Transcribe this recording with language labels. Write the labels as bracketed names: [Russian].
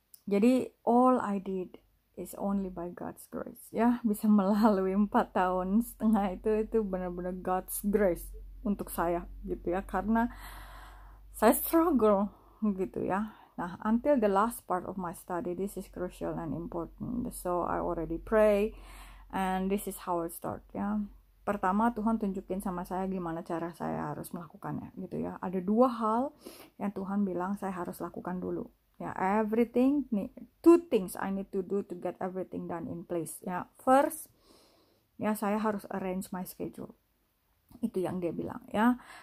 [Indonesian] Jadi [English] all I did is only by God's grace [Indonesian] ya, bisa melalui 4 tahun setengah itu benar-benar God's grace untuk saya gitu ya, karena saya struggle gitu ya. [English] Nah, until the last part of my study, this is crucial and important. So I already pray, and this is how it start ya. [Indonesian] Pertama, Tuhan tunjukin sama saya gimana cara saya harus melakukannya gitu ya. Ada dua hal yang Tuhan bilang saya harus lakukan dulu ya. [English] Everything, two things I need to do to get everything done in place ya. [Indonesian] First ya, saya harus [English] arrange my schedule, [Indonesian] itu yang dia bilang ya.